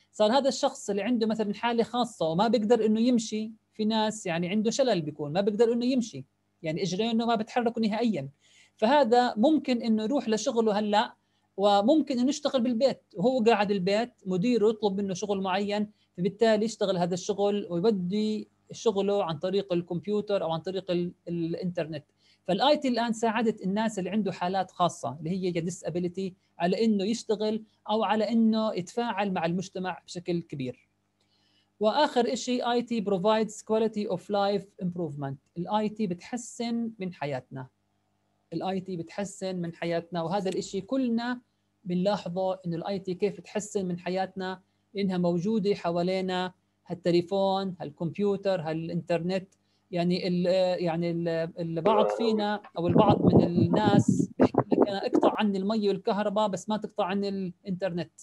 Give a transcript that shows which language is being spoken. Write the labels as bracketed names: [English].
[Arabic] صار هذا الشخص اللي عنده مثلاً حالة خاصة وما بيقدر إنه يمشي، في ناس يعني عنده شلل بيكون ما بيقدر إنه يمشي، يعني إجرينه ما بتحركه نهائياً، فهذا ممكن إنه يروح لشغله هلأ وممكن إنه يشتغل بالبيت وهو قاعد البيت، مدير يطلب منه شغل معين فبالتالي يشتغل هذا الشغل ويبدي شغله عن طريق الكمبيوتر أو عن طريق الإنترنت. فالآيت الآن ساعدت الناس اللي عنده حالات خاصة اللي هي disability على إنه يشتغل أو على إنه يتفاعل مع المجتمع بشكل كبير. وآخر إشي [English] IT provides quality of life improvement. [Arabic] الآيت بتحسن من حياتنا، الآيت بتحسن من حياتنا، وهذا الإشي كلنا بنلاحظه إنه الآيت كيف بتحسن من حياتنا إنها موجودة حوالينا، هالتليفون هالكمبيوتر هالإنترنت. يعني الـ يعني البعض فينا او البعض من الناس بيحكي لك انا اقطع عني المي والكهرباء بس ما تقطع عني الانترنت.